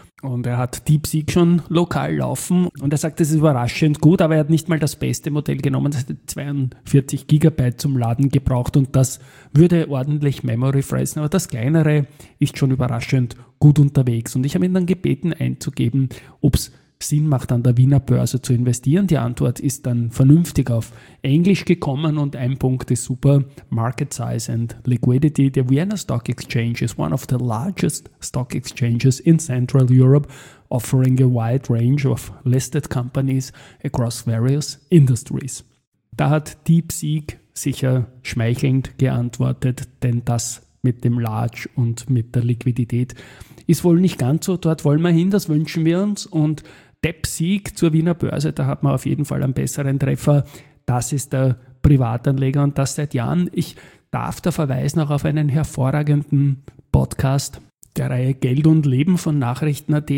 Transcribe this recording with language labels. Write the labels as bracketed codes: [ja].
[de] Und er hat DeepSeek schon lokal laufen und er sagt, das ist überraschend gut, aber er hat nicht mal das beste Modell genommen, das hätte 42 GB zum Laden gebraucht und das würde ordentlich Memory fressen, aber das kleinere ist schon überraschend gut unterwegs. Und ich habe ihn dann gebeten einzugeben, ob es Sinn macht, an der Wiener Börse zu investieren. Die Antwort ist dann vernünftig auf Englisch gekommen und ein Punkt ist super, [en] Market Size and Liquidity. The Vienna Stock Exchange is one of the largest stock exchanges in Central Europe, offering a wide range of listed companies across various industries. [de] Da hat DeepSeek sicher schmeichelnd geantwortet, denn das mit dem Large und mit der Liquidität ist wohl nicht ganz so, dort wollen wir hin, das wünschen wir uns. Und DeepSeek zur Wiener Börse, da hat man auf jeden Fall einen besseren Treffer. Das ist der Privatanleger und das seit Jahren. Ich darf da verweisen auch auf einen hervorragenden Podcast der Reihe Geld und Leben von Nachrichten.at.